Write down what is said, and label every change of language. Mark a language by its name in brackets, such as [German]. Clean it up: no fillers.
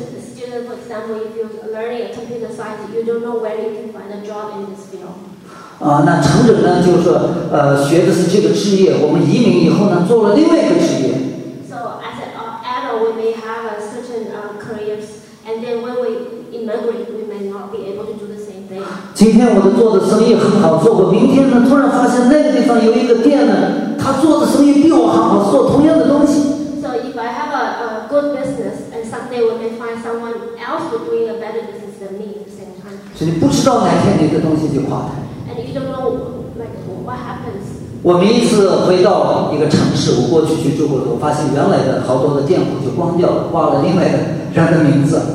[English] Students, for example, if you're learning a computer science, you don't know where you can find a job in this field. [Chinese] 那成人呢？就是说，学的是这个职业，我们移民以后呢，做了另外一个职业。 [English] So as an adult, we may have a certain careers, and then when we immigrate, we may not be able to do the same thing. [Chinese] 今天我的做的生意很好做，我明天呢，突然发现那个地方有一个店呢。他做的生意比我好，我做同样的东西。 [English] So if I have a good business, and someday we may find someone else who doing a better business than me at the same time. [Chinese] 所以你不知道哪天你的东西就垮台。 [English] And you don't know like what happens. [Chinese] 我们一次回到一个城市，我过去去住过的，我发现原来的好多的店铺就关掉了，挂了另外的人的名字。